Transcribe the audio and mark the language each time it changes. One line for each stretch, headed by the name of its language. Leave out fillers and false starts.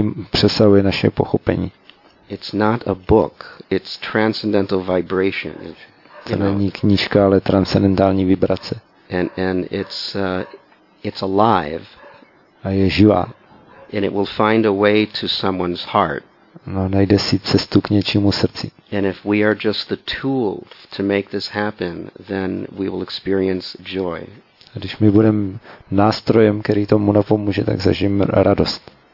Czech: Přesahuje naše pochopení.
English: It's not a book. It's transcendental vibration.
Czech: To není knížka, ale transcendentální vibrace.
English: And it's alive.
Czech: A je živá.
English: And it will find a way to someone's heart.
Czech: No, najde si cestu k něčímu srdci.
English: And if we are just the tool to make this happen, then we will experience joy.
Czech: A když my budeme nástrojem, který tomu napomůže, tak zažijeme radost.